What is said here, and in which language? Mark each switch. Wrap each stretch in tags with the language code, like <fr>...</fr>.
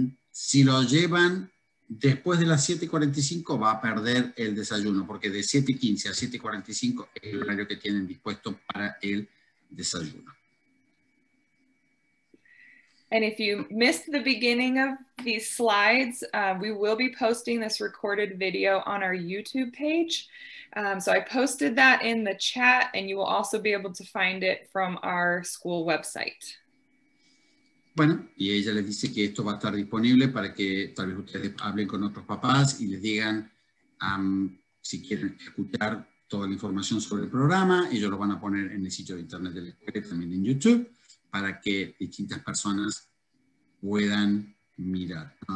<es>Si lo llevan después de las 7:45, va a perder el desayuno, porque de 7:15 a 7:45 es el horario que tienen dispuesto para el desayuno.</es> <en>And if you missed the beginning of these slides, we will be posting this recorded video on our YouTube page. So I posted that in the chat and you will also be able to find it from our school website.</en> <es>Bueno, y ella les dice que esto va a estar disponible para que tal vez ustedes hablen con otros papás y les digan si quieren escuchar toda la información sobre el programa. Ellos lo van a poner en el sitio de internet de la escuela, también en YouTube, para que distintas personas puedan mirar.</es>